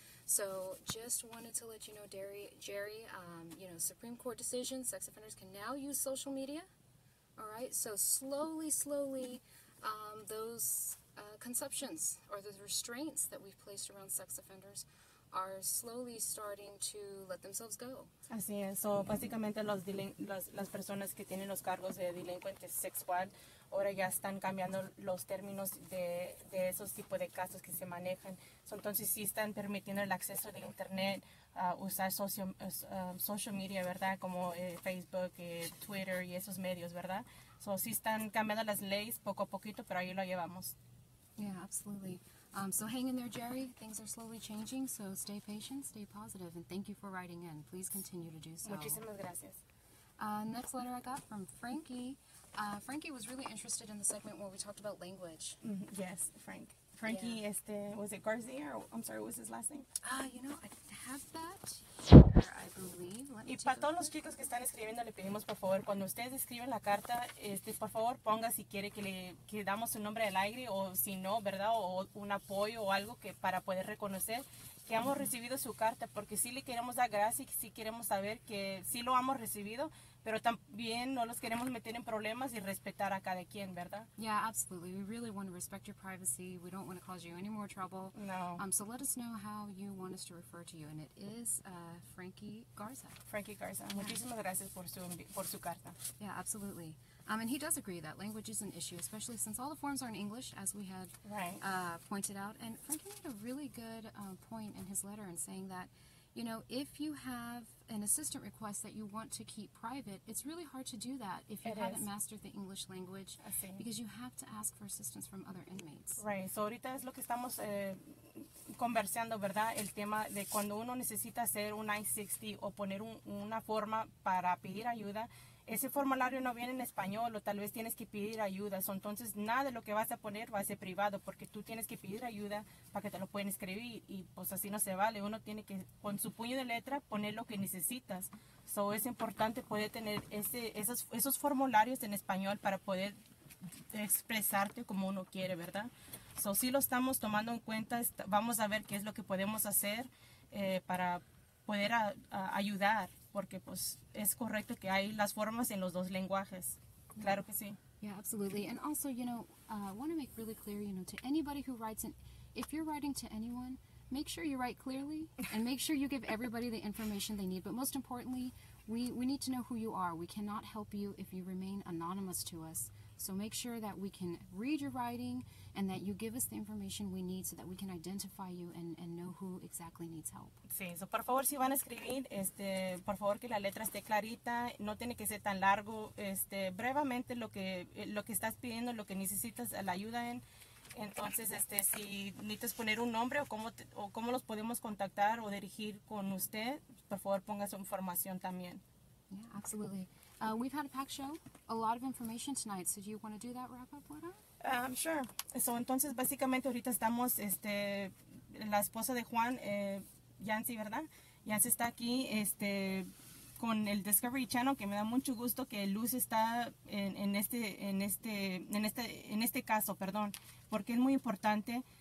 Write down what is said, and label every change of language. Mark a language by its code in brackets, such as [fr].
[en] So just wanted to let you know, Jerry, you know, Supreme Court decision, sex offenders can now use social media. All right. So slowly, those conceptions or the restraints that we've placed around sex offenders are slowly starting to let themselves go. [es] Así es. So, básicamente, las personas que tienen los cargos de delincuente sexual, ahora ya están cambiando los términos de esos tipos de casos que se manejan. So, entonces, sí están permitiendo el acceso de internet, usar social media, ¿verdad? Como Facebook, Twitter y esos medios, ¿verdad? So, sí están cambiando las leyes poco a poquito, pero ahí lo llevamos. [en] Yeah, absolutely. So hang in there, Jerry. Things are slowly changing, so stay patient, stay positive, and thank you for writing in. Please continue to do so. [es] Muchísimas gracias. [en] Next letter I got from Frankie. Frankie was really interested in the segment where we talked about language. Mm-hmm. Yes, Frank. Frankie, yeah. Was it Garcia? I'm sorry, what was his last name? You know, I have that here, I believe. [es] Y para todos los chicos que están escribiendo, le pedimos, por favor, cuando ustedes escriben la carta, por favor, ponga si quiere que damos un nombre al aire, o si no, ¿verdad? O un apoyo o algo que para poder reconocer que hemos recibido su carta, porque sí le queremos dar gracias y sí queremos saber que sí lo hemos recibido, pero también no los queremos meter en problemas y respetar a cada quien, ¿verdad? [en] Yeah, absolutely. We really want to respect your privacy. We don't want to cause you any more trouble. No. So let us know how you want us to refer to you, and it is Frankie Garza. [es] Frankie Garza. [en] Yeah. [es] Muchísimas gracias por su carta. [en] Yeah, absolutely. And he does agree that language is an issue, especially since all the forms are in English, as we had pointed out. And Frankie made a really good point in his letter in saying that, you know, if you have an assistant request that you want to keep private, it's really hard to do that if you haven't mastered the English language, because you have to ask for assistance from other inmates. Right. [es] So ahorita es lo que estamos conversando, ¿verdad? El tema de cuando uno necesita hacer un I-60 o poner una forma para pedir ayuda, ese formulario no viene en español o tal vez tienes que pedir ayuda. So, entonces, nada de lo que vas a poner va a ser privado porque tú tienes que pedir ayuda para que te lo puedan escribir. Y pues así no se vale. Uno tiene que, con su puño de letra, poner lo que necesitas. So, es importante poder tener esos formularios en español para poder expresarte como uno quiere, ¿verdad? So, sí lo estamos tomando en cuenta. Vamos a ver qué es lo que podemos hacer para poder ayudar, porque pues es correcto que hay las formas en los dos lenguajes. Claro que sí. [en] Yeah, absolutely. And also, you know, I want to make really clear, you know, to anybody who writes, if you're writing to anyone, make sure you write clearly and make sure you give everybody the information they need. But most importantly, we need to know who you are. We cannot help you if you remain anonymous to us. So make sure that we can read your writing and that you give us the information we need so that we can identify you and know who exactly needs help. [es] Sí, so por favor, si van a escribir, por favor que la letra esté clarita, no tiene que ser tan largo, brevemente lo que estás pidiendo, lo que necesitas la ayuda en. Entonces, si necesitas poner un nombre o cómo los podemos contactar o dirigir con usted, por favor ponga su información también. [en] Yeah, absolutely. We've had a packed show, a lot of information tonight, so do you want to do that wrap-up, Laura? Sure. [es] So, entonces, básicamente, ahorita estamos, la esposa de Juan, Yancy, ¿verdad? Yancy está aquí, con el Discovery Channel, que me da mucho gusto que Luz está en este caso, perdón, porque es muy importante.